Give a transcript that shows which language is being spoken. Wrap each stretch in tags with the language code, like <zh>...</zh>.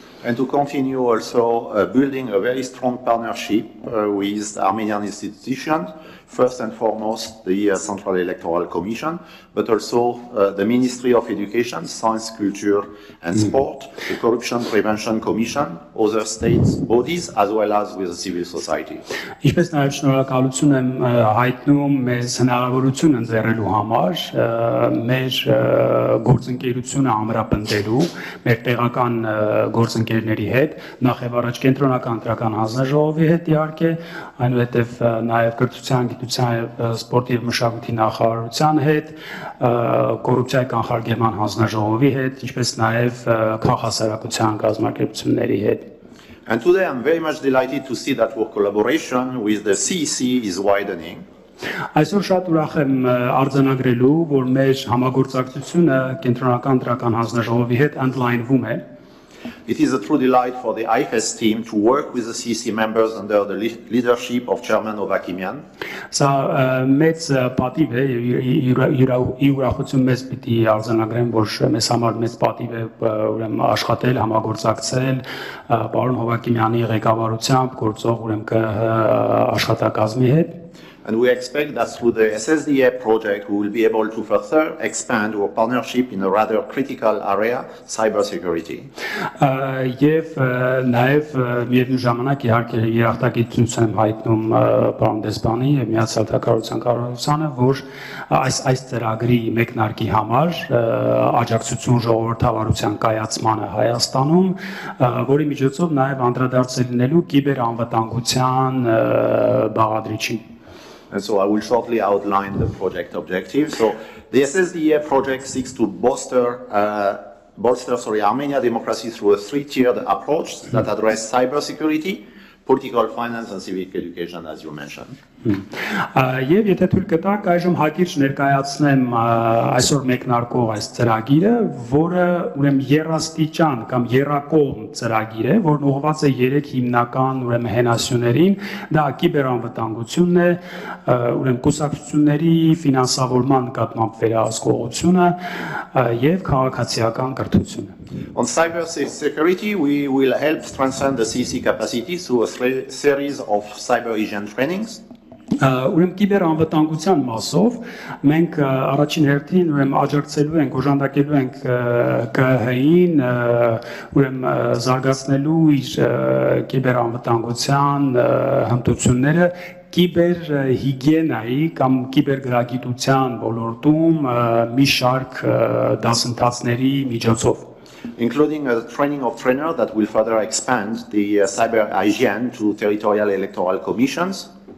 <en>And to continue also building a very strong partnership with Armenian institutions, first and foremost the Central Electoral Commission, but also the Ministry of Education, Science, Culture and Sport, the Corruption Prevention Commission, other state bodies, as well as with the civil society.</en> <hy>Ինչպես նաև շնորհակալություն եմ հայտնում մեզ հնարավորություն ընձեռելու համար, մեր գործընկերությունը ամրապնդելու, մեր տեղական գործընկերների հետ, նախև առաջ կենտրոնական դրական հանձնաժողովի հետ իհարկե, այնուհետև նաև կրթության գիտության սպորտի և մշակույթի նախարարության հետ, կոռուպցիայի կանխարգելման հանձնաժողովի հետ, ինչպես նաև քաղհասարակության կազմակերպությունների հետ.</hy> <en>And today I'm very much delighted to see that our collaboration with the CEC is widening.</en> <hy>Այսօր շատ ուրախ եմ արձանագրելու, որ մեր համագործակցությունը կենտրոնական դրական հանձնաժողովի հետ ընդլայնվում է.</hy> <en>It is a true delight for the IFES team to work with the CEC members under the leadership of Chairman Ovakimian.</en> <hy>Սա մեծ պատիվ է եւ ուրախություն մեզ պիտի արձանագրեմ, որ մեզ համար մեծ պատիվ է ուրեմն աշխատել, համագործակցել պարոն Հովակիմյանի ղեկավարությամբ գործող ուրեմն ԿԸՀ աշխատակազմի հետ.</hy> <en>And we expect that through the SSDA project we will be able to further expand our partnership in a rather critical area, cybersecurity.</en> <hy>Եվ նաև միևնույն ժամանակ իհարկե երախտագիտություն եմ հայտնում պարոն Դեսպանի եւ միացյալ թակարարության կառավարությանը, որ այս ծրագրի մեկնարկի համար աջակցություն ժողովրդավարության կայացմանը Հայաստանում, որի միջոցով նաև անդրադարձ է լինելու կիբեր անվտանգության բաղադրիչին.</hy> <en>And so I will shortly outline the project objectives. So the SSDA project seeks to bolster Armenia democracy through a three-tiered approach that address cybersecurity, political finance and civic education, as you mentioned.</en> <hy>Եվ եթե թույլ կտաք, այժմ հակիրճ ներկայացնեմ այսօր մեկնարկող այս ծրագիրը, որը ուրեմն երաստիճան կամ երակողմ ծրագիր է, որն ուղղված է երեք հիմնական ուրեմն հենասյուներին, դա կիբերանվտանգությունն է, ուրեմն կուսակցությունների ֆինանսավորման նկատմամբ վերահսկողությունը եւ քաղաքացիական կրթությունը.</hy> <en>On cybersecurity, we will help transcend the CC capacity through a series of cyber agent trainings.</en> <hy>Ուրեմն կիբեր անվտանգության մասով մենք առաջին հերթին ուրեմն աջակցելու ենք, օժանդակելու ենք ԿՀ-ին ուրեմն զարգացնելու իր կիբեր անվտանգության հմտությունները կիբեր հիգիենայի կամ կիբեր գրագիտության ոլորտում մի շարք դասընթացների միջոցով.</hy> <en>Including a training of trainer that will further expand the cyber hygiene to territorial electoral commissions.</en>